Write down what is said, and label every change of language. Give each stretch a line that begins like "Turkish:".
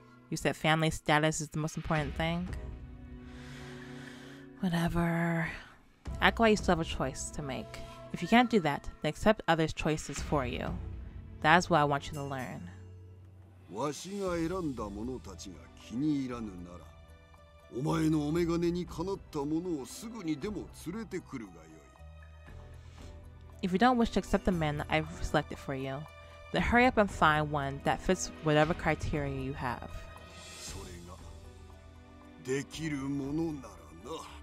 English: You said family status is the most important thing? Whatever. Act like you still have a choice to make. If you can't do that, then accept others' choices for you. That is what I want you to learn.
Japanese: わしが選んだものたちが気に入らぬなら、お前のお眼鏡にかなったものをすぐにでも連れてくるがよい。
English: If you don't wish to accept the man that I've selected for you,Then hurry up and find one that fits whatever criteria you have.
Japanese: それができるものならな。